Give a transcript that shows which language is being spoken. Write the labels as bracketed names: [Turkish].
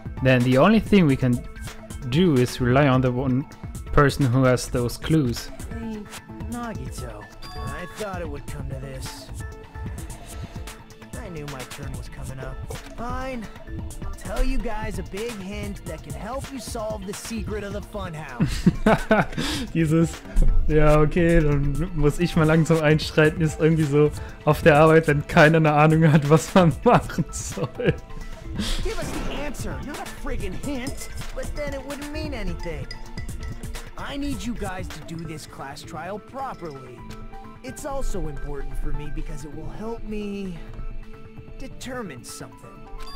[English] Then the only thing we can do is rely on the one person who has those clues. Nagito, I thought it would come to this. I knew my turn was coming up. Fine. I'll tell you guys a big hint that can help you solve the secret of the funhouse. [German] Dieses, ja, okay, dann muss ich mal langsam einschreiten, ist irgendwie so auf der Arbeit, wenn keiner eine Ahnung hat, was man machen soll. [English] Give us the answer, not a friggin' hint. But then it wouldn't mean anything. I need you guys to do this class trial properly. It's also important for me because it will help me determine something.